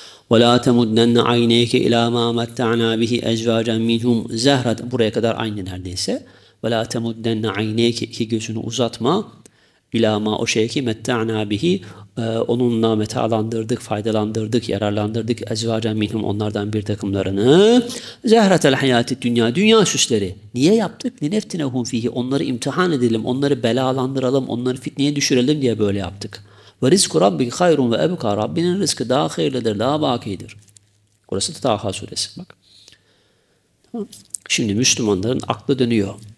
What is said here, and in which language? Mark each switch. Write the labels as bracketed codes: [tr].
[ar] وَلَا تَمُدَّنَّ عَيْنَيْكَ اِلَى مَا مَتَّعْنَا بِهِ اَجْوَاجًا مِنْهُمْ زَهْرَةً. [tr] Buraya kadar aynı neredeyse. [ar] وَلَا تَمُدَّنَّ عَيْنَيْكَ, [tr] iki gözünü uzatma. [ar] اِلَى مَا, [tr] o şey ki [ar] مَتَّعْنَا بِهِ, [tr] onunla metalandırdık, faydalandırdık, yararlandırdık. [ar] اَجْوَاجًا مِنْهُمْ, [tr] onlardan bir takımlarını. [ar] زَهْرَةَ الْحَيَاتِ الدُّنْيَا, [tr] dünya süsleri. Niye yaptık? [ar] لِنَفْتِنَهُمْ فِيهِ, [tr] onları imtihan edelim, onları belalandıralım, onları fitneye düşürelim diye böyle yaptık. [ar] Ve rizku rabbiki hayrun ve ebuka, [tr] Rabbinin rızkı daha hayırlıdır, daha bakidir. Burası da Taha suresi bak. Şimdi Müslümanların aklı dönüyor.